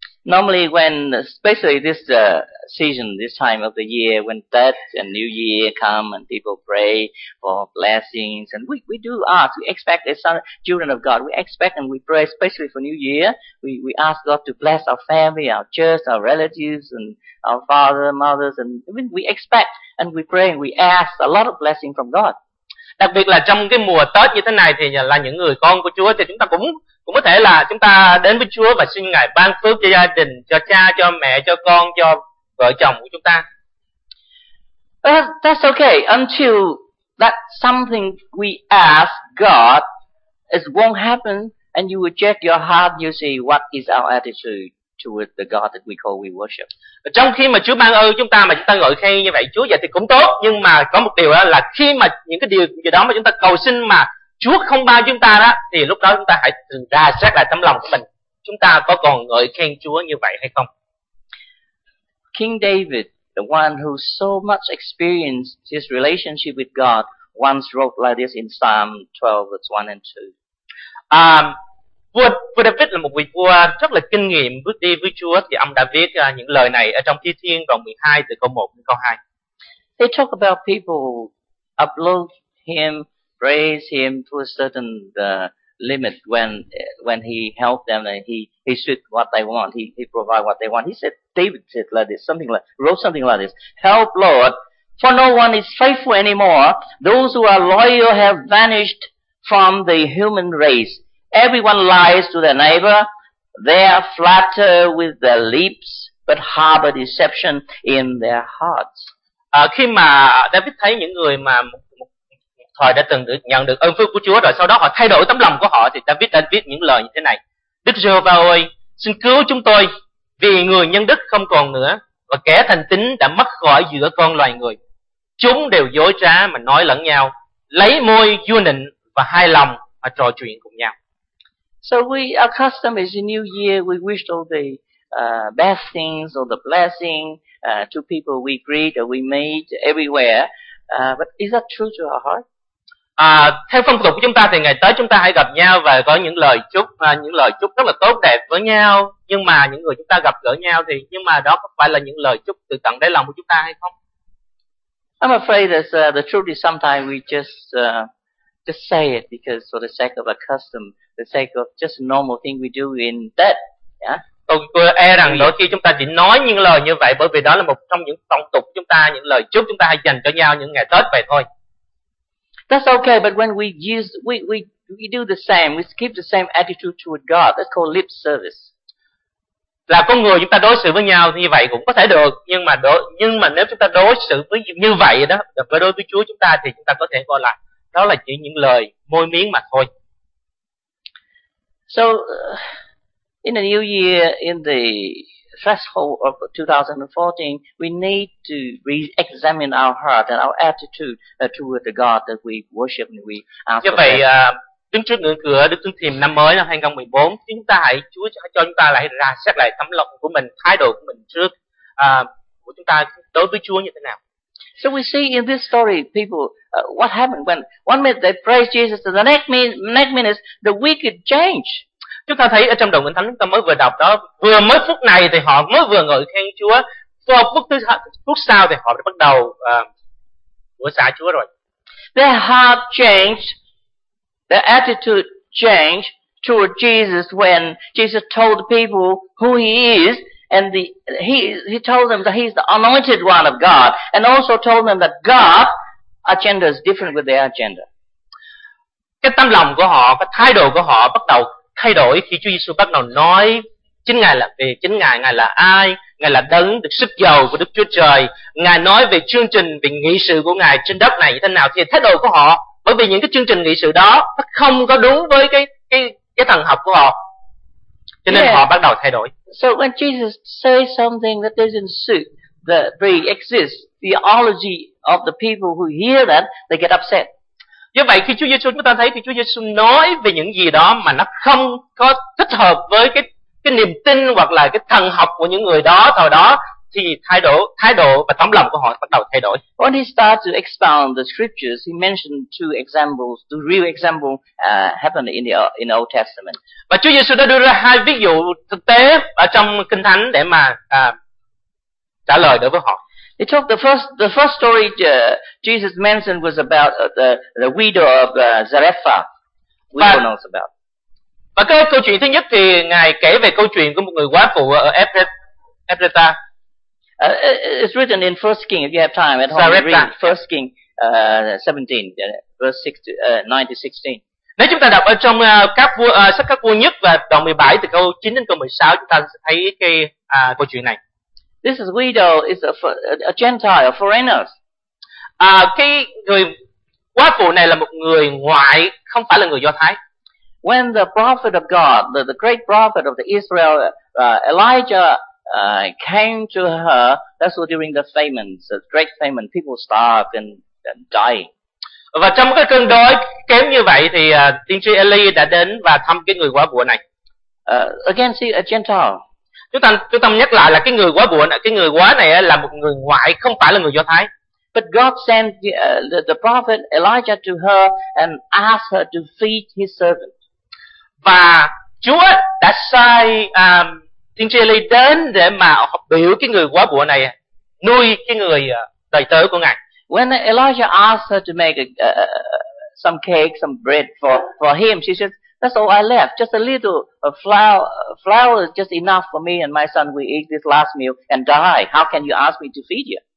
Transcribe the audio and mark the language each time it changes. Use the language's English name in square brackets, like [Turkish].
[English] Normally when, especially this season, this time of the year, when death and New Year come and people pray for blessings, and we do ask, we expect as children of God, we expect and we pray, especially for New Year, we ask God to bless our family, our church, our relatives, and our father, mothers, and even we expect and we pray and we ask a lot of blessing from God. [Vietnamese] Đặc biệt là trong cái mùa Tết như thế này thì là những người con của Chúa thì chúng ta cũng có thể là chúng ta đến với Chúa và xin Ngài ban phước cho gia đình, cho cha, cho mẹ, cho con, cho vợ chồng của chúng ta. [English] That's okay until that something we ask God it won't happen and you will check your heart, you see what is our attitude towards the God that we call we worship. [Vietnamese] Trong khi mà Chúa ban ơn chúng ta mà chúng ta ngợi khen như vậy Chúa vậy thì cũng tốt, nhưng mà có một điều đó là khi mà những cái điều gì đó mà chúng ta cầu xin mà Chúa không ban chúng ta đó thì lúc đó chúng ta hãy thử ra xét lại tấm lòng của mình, chúng ta có còn ngợi khen Chúa như vậy hay không. [English] King David, the one who so much experienced his relationship with God, once wrote like this in Psalm 12 verse 1 and 2. [Vietnamese] Vua David là một vị vua rất là kinh nghiệm bước đi với Chúa, thì ông đã viết những lời này ở trong Thi Thiên đoạn 12 từ câu 1 đến câu 2. [English] They talk about people uplift him, praise him to a certain limit when he helped them and he said what they want, he provide what they want. He said, David said like this, something like, wrote something like this: "Help Lord, for no one is faithful anymore. Those who are loyal have vanished from the human race. Everyone lies to their neighbor. They are flatter with their lips, but harbor deception in their hearts." [Vietnamese] Khi mà David thấy những người mà một thời đã từng được nhận được ơn phước của Chúa rồi sau đó họ thay đổi tấm lòng của họ, thì David đã viết những lời như thế này: "Đức Giê-hô-va ơi, xin cứu chúng tôi, vì người nhân đức không còn nữa, và kẻ thành tín đã mất khỏi giữa con loài người. Chúng đều dối trá mà nói lẫn nhau, lấy môi vua nịnh và hai lòng mà trò chuyện cùng nhau." [English] So we, our custom is in New Year, we wish all the best things or the blessing to people we greet or we meet everywhere. But is that true to our heart? [Vietnamese] Theo phong tục của chúng ta thì ngày tới chúng ta hãy gặp nhau và có những lời chúc rất là tốt đẹp với nhau. Nhưng mà những người chúng ta gặp gỡ nhau thì, nhưng mà đó có phải là những lời chúc từ tận đáy lòng của chúng ta hay không? [English] I'm afraid that the truth is sometimes we just say it because for the sake of a custom, the sake of just normal thing we do in that. Yeah. [Vietnamese] Tôi e rằng đôi khi chúng ta chỉ nói những lời như vậy bởi vì đó là một trong những phong tục chúng ta, những lời chúc chúng ta hay dành cho nhau những ngày Tết vậy thôi. [English] That's okay, but when we do the same, we keep the same attitude toward God. That's called lip service. [Vietnamese] Là con người chúng ta đối xử với nhau như vậy cũng có thể được, nhưng mà nếu chúng ta đối xử với như vậy đó, và đối với Chúa chúng ta thì chúng ta có thể gọi là đó là chỉ những lời môi miệng mà thôi. [English] So in the new year, in the threshold of 2014, we need to re-examine our heart and our attitude toward the God that we worship and we ask. [Vietnamese] Do vậy, đứng trước ngưỡng cửa Đức Thánh Thiềm năm mới năm 2014, chúng ta hãy Chúa cho chúng ta lại ra xét lại tấm lòng của mình, thái độ của mình trước của chúng ta đối với Chúa như thế nào. [English] So we see in this story, people, what happened when one minute they praise Jesus, and the next minute the wicked change. [Vietnamese] Chúng ta thấy ở trong đoạn Kinh Thánh chúng ta mới vừa đọc đó, vừa mới phút này thì họ mới vừa ngợi khen Chúa, qua phút sau thì họ đã bắt đầu đổ xả Chúa rồi. [English] Their heart changed, their attitude changed toward Jesus when Jesus told the people who he is. And he told them that he's the anointed one of God, and also told them that God's agenda is different with their agenda. [Vietnamese] Cái tâm lòng của họ, cái thái độ của họ bắt đầu thay đổi khi Chúa Giêsu bắt đầu nói chính Ngài là về chính Ngài, Ngài là ai, Ngài là đấng được sức dầu của Đức Chúa Trời, Ngài nói về chương trình, về nghị sự của Ngài trên đất này như thế nào, thì thái độ của họ, bởi vì những cái chương trình nghị sự đó nó không có đúng với cái thần học của họ, cho nên họ bắt đầu thay đổi. [English] So when Jesus says something that doesn't suit the pre-exist theology of the people who hear that, they get upset. [Vietnamese] Do vậy khi Chúa Giêsu chúng ta thấy thì Chúa Giêsu nói về những gì đó mà nó không có thích hợp với cái niềm tin hoặc là cái thần học của những người đó thời đó, thì thái độ và tấm lòng của họ bắt đầu thay đổi. [English] When he started to expound the scriptures, he mentioned two examples, two real examples happened in the Old Testament. [Vietnamese] Và Chúa Giêsu đã đưa ra hai ví dụ thực tế ở trong Kinh Thánh để mà trả lời đối với họ. [English] He took the first story Jesus mentioned was about the widow of Zarephath. We don't know about. [Vietnamese] Và cái câu chuyện thứ nhất thì ngài kể về câu chuyện của một người quả phụ ở Ephrata. [English] It's written in 1 Kings if you have time at home. Read 1 Kings 17 verse 9 to 16. [Vietnamese] Nếu chúng ta đọc ở trong các vua sách các vua nhất và đoạn 17 từ câu 9 đến câu 16 chúng ta sẽ thấy cái câu chuyện này. [English] This is widow is a Gentile, a foreigner. [Vietnamese] Cái người quả phụ này là một người ngoại, không phải là người Do Thái. [English] When the prophet of God, the great prophet of the Israel, Elijah came to her, that's during the famine, the great famine, people starved and dying. [Vietnamese] Và trong cái cơn đói kém như vậy thì tiên tri Eli đã đến và thăm cái người quả phụ này. [English] Again, see a Gentile. [Vietnamese] Chúng ta nhắc lại là cái người quá buồn, cái người quá này là một người ngoại, không phải là người Do Thái. [English] But God sent the prophet Elijah to her and asked her to feed his servant. [Vietnamese] Và Chúa đã sai tiên tri Eli đến để mà biểu cái người quá buồn này nuôi cái người đầy tớ của ngài. [English] When Elijah asked her to make some cake, some bread for him, she said, "That's all I left. Just a little flour is just enough for me and my son. We eat this last meal and die. How can you ask me to feed you?"